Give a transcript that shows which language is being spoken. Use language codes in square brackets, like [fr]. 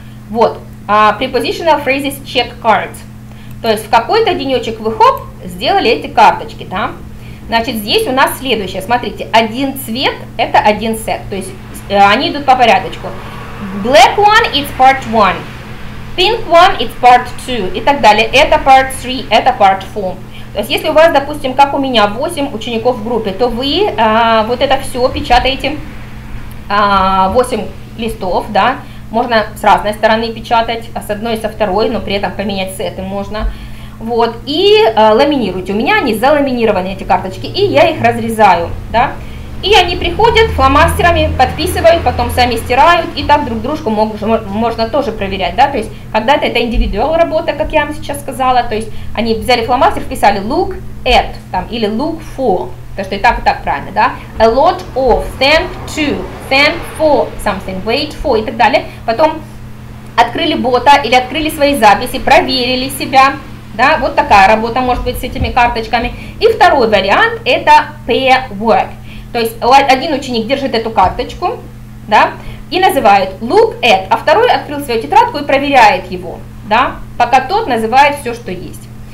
[ru] Вот, [en] prepositional phrases check cards. [ru] То есть в какой-то денечек вы, хоп, сделали эти карточки, да. Значит, здесь у нас следующее, смотрите, один цвет, это один сет, то есть они идут по порядочку. [en] Black one, it's part one. Pink one, it's part two. [ru] И так далее. [en] Это part three, это part four. [ru] То есть, если у вас, допустим, как у меня, 8 учеников в группе, то вы вот это все печатаете, 8 листов, да, можно с разной стороны печатать, а с одной и со второй, но при этом поменять сеты можно. Вот, и ламинируйте. У меня они заламинированы, эти карточки, и я их разрезаю, да. И они приходят фломастерами, подписывают, потом сами стирают, и так друг дружку можно тоже проверять, да. То есть, когда-то это индивидуал работа, как я вам сейчас сказала, то есть, они взяли фломастер, вписали look at, там, или look for, потому что и так правильно, да. [en] A lot of, thank to, thank for something, wait for, [ru] и так далее. Потом открыли бота или открыли свои записи, проверили себя, да, вот такая работа может быть с этими карточками. И второй вариант – это pair work. То есть один ученик держит эту карточку, да, и называет look at, а второй открыл свою тетрадку и проверяет его, да, пока тот называет все, что есть.